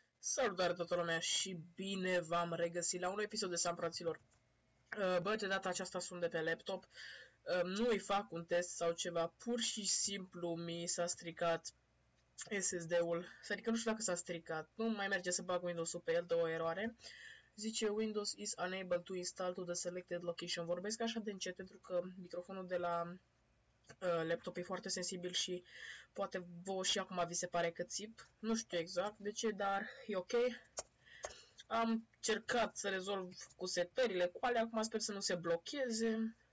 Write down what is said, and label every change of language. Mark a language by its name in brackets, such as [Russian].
[Romanian] Salutare toată lumea și bine v-am regăsit la un episod de San Fraților. Bă, de data aceasta sunt de pe laptop, nu îi fac un test sau ceva, pur și simplu mi s-a stricat SSD-ul, adică nu știu dacă s-a stricat, nu mai merge să bag Windows-ul pe el, dă o eroare. Zice [English] Windows is unable to install to the selected location. [Romanian] Vorbesc așa de încet pentru că microfonul de la laptop e foarte sensibil și poate vă și acum vi se pare că țip. Nu știu exact de ce, dar e ok. Am cercat să rezolv cu setările, cu alea, acum sper să nu se blocheze.